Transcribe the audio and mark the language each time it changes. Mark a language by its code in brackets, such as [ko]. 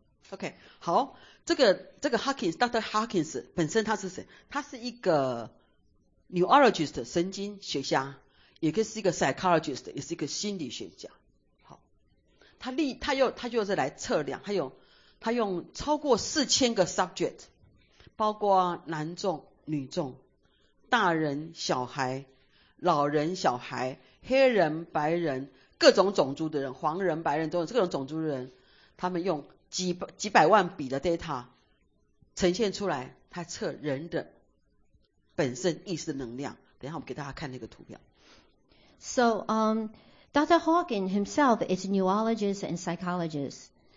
[zh] Okay, 好，这个 Hawkins, Dr. Hawkins 本身他是谁？他是一个 neurologist 神经学家，也可以是一个 psychologist， 也是一个心理学家。好，他又是来测量，还有。他用超过4000个 subject， 包括男众、女众、大人、小孩、老人、小孩、黑人、白人、各种种族的人、黄人、白人，都有各种种族的人，他们用几百万笔的 data 呈现出来，他测人的本身意识能量。等一下我们给大家看那个图表。 [en] So, Dr. Hawking himself is a neurologist and psychologist.